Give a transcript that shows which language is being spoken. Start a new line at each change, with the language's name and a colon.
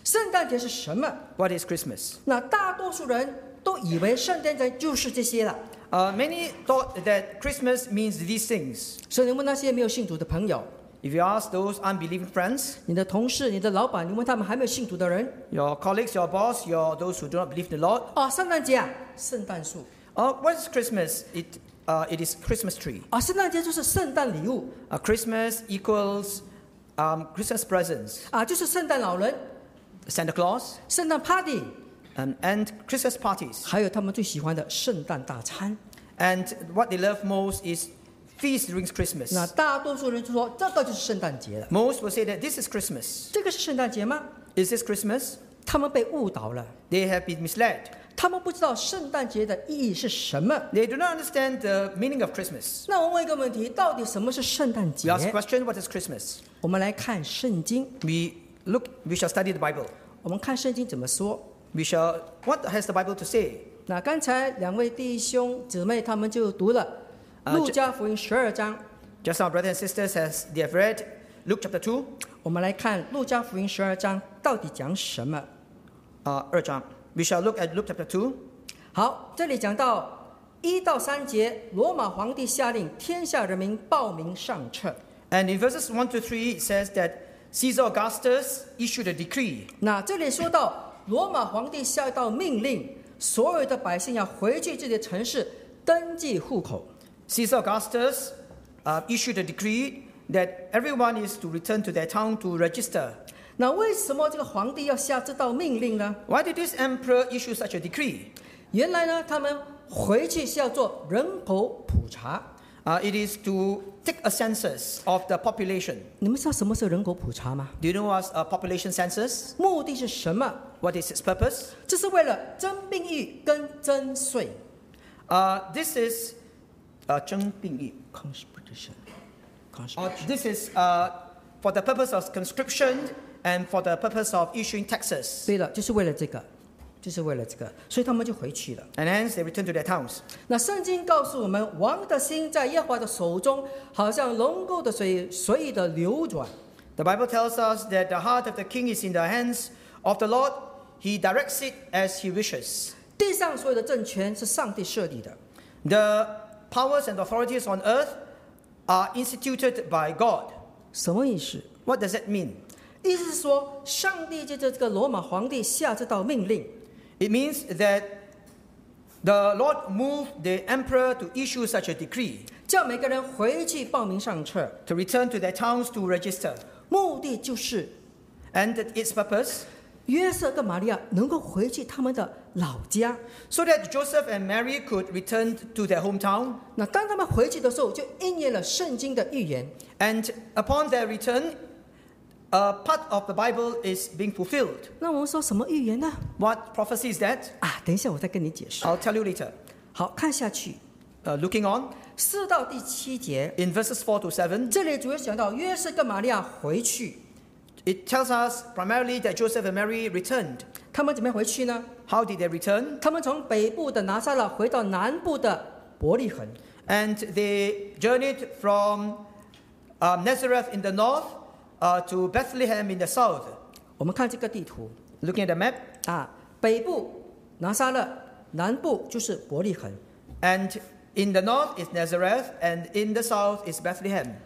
Chinese: 圣诞节是什么
English: ？What is Christmas？
Chinese: 那大多数人都以为圣诞节就是这些了。
English: Many thought that Christmas means these things。
Chinese: 所以你问那些没有信主的朋友。
English: If you ask those unbelieving friends,
Chinese: 你的同事、你的老板，你问他们还没有信主的人
English: ，your colleagues, your boss, your those who do not believe in the Lord.
Chinese: 圣诞节啊，圣诞树。
English: What is Christmas? It is Christmas tree.
Chinese: 圣诞节就是圣诞礼物。
English: Christmas equals Christmas presents.
Chinese: 就是圣诞老人
English: ，Santa Claus.
Chinese: 圣诞 party.
English: And Christmas parties.
Chinese: 还有他们最喜欢的圣诞大餐。
English: And what they love most is. Feast during Christmas.
Chinese: 那大多数人就说这个就是圣诞节了。
English: Most will say that this is Christmas.
Chinese: 这个是圣诞节吗
English: ？Is this Christmas?
Chinese: 他们被误导了。
English: They have been misled.
Chinese: 他们不知道圣诞节的意义是什么。
English: They do not understand the meaning of Christmas.
Chinese: 那我问一个问题，到底什么是圣诞节
English: ？We ask a question. What is Christmas?
Chinese: 我们来看圣经。
English: We shall study the Bible.
Chinese: 我们看圣经怎么说
English: ？We shall. What has the Bible to say?
Chinese: 那刚才两位弟兄姊妹他们就读了。路加福音十二章
English: Just our brothers and sisters as they have read Luke chapter 2
Chinese: 我们来看路加福音十二章到底讲什么二章
English: We shall look at Luke chapter 2
Chinese: 好这里讲到一到三节罗马皇帝下令天下人民报名上册
English: And in verses 1 to 3 it says that Caesar Augustus issued a decree
Chinese: 那这里说到罗马皇帝下道命令所有的百姓要回去自己的城市登记户口
English: Caesar Augustus issued a decree that everyone is to return to their town to register.
Chinese: 那为什么这个皇帝要下这道命令呢
English: ？Why did this emperor issue such a decree?
Chinese: 原来呢，他们回去是要做人口普查。
English: It is to take a census of the population.
Chinese: 你们知道什么是人口普查吗
English: ？Do you know what's a population census?
Chinese: 目的是什么
English: ？What is its purpose?
Chinese: 这是为了征兵役跟征税。
English: This is
Chinese: 征兵役
English: Constitution. This is for the purpose of conscription and for the purpose of issuing taxes.
Chinese: 对了，就是为了这个，就是为了这个，所以他们就回去了。
English: And hence they returned to their towns.
Chinese: 那圣经告诉我们，王的心在耶和华的手中，好像龙沟的水随意的流转。
English: The Bible tells us that the heart of the king is in the hands of the Lord. He directs it as he wishes.
Chinese: 地上所有的政权是上帝设立的。
English: The powers and authorities on earth are instituted by God.
Chinese: 什么意思？
English: What does that mean?
Chinese: 意思是说，上帝借着这个罗马皇帝下这道命令。
English: It means that the Lord moved the emperor to issue such a decree.
Chinese: 叫每个人回去报名上册。
English: To return to their towns to register.
Chinese: 目的就是
English: ，and its purpose，
Chinese: 约瑟跟玛利亚能够回去他们的老家
English: ，so that Joseph and Mary could return to their hometown。
Chinese: 那当他们回去的时候，就应验了圣经的预言。
English: And upon their return, a part of the Bible is being fulfilled。
Chinese: 那我们说什么预言呢
English: ？What prophecy is that？
Chinese: 啊，等一下我再跟你解释。
English: I'll tell you later。
Chinese: 好，看下去。
English: Looking on。
Chinese: 四到第七节
English: ，in verses 4 to 7，
Chinese: 这里主要讲到约瑟跟玛利亚回去。
English: It tells us primarily that Joseph and Mary returned.
Chinese: 他们怎么回去呢
English: ？How did they return？
Chinese: 他们从北部的拿撒勒回到南部的伯利恒。
English: And they journeyed from Nazareth in the north, to Bethlehem in the south.
Chinese: 我们看这个地图
English: ，looking at the map.
Chinese: 啊，北部拿撒勒，南部就是伯利恒。
English: And In the north is Nazareth, and in the south is Bethlehem.